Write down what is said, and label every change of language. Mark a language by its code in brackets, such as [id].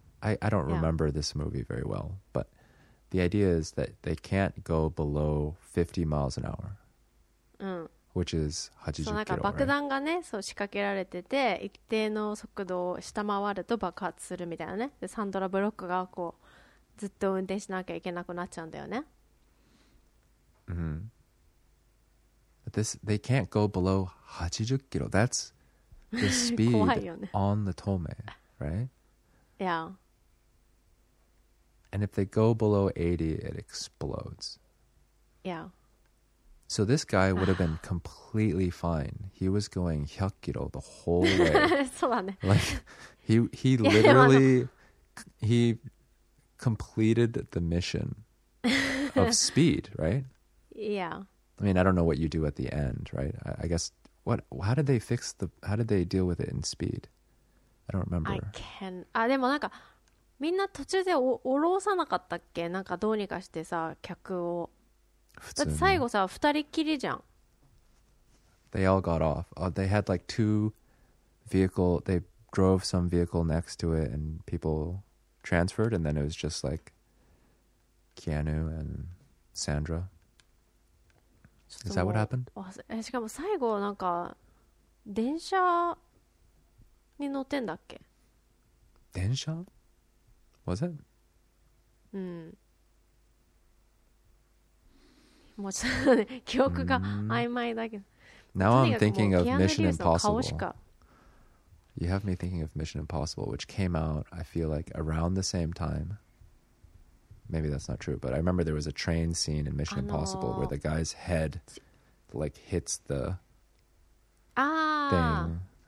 [en] I don't remember this movie very well, but the idea is that they can't go below 50 miles an hour, which is 80 kilo. So, like, [ja] 爆弾がね、そう仕掛けられてて、一定の速度を下回ると爆発するみたいなね。で、サンドラブロックがこうずっと運転しなきゃいけなくなっちゃうんだよね。 [en] Mm-hmm. This, they can't go below 80 kilo. That's the speed [ja] 怖いよね。 [en] on the Tome, right? Yeah. And if they go below 80, it explodes. Yeah. So this guy would have been completely fine. He was going 100 kilo the whole way. [ja] そうだね。 [en] Like, he literally, he completed the mission of speed, right? Yeah. I mean, I don't know what you do at the end, right? I guess, what, how did they fix the, how did they deal with it in Speed? I don't remember. I can, [ja] あ、でもなんか、みんな途中で下ろさなかったっけ？なんかどうにかしてさ、客を。普通に。だって最後さ、二人きりじゃん。 [en] They all got off. Oh, they had like two vehicle, they drove some vehicle next to it and people transferred and then it was just like Keanu and Sandra. Is that what happened? [ja] しかも最後なんか電車に乗ってんだっけ？ [en] 電車？Was it? [ja] うん。もうちょっとね、記憶が曖昧だけど。 [en] Now I'm thinking of Mission Impossible. [ja] しか。 [en] You have me thinking of Mission Impossible, which came out, I feel like, around the same time. Maybe that's not true, but I remember there was a train scene in Mission Impossible where the guy's head like hits the thing.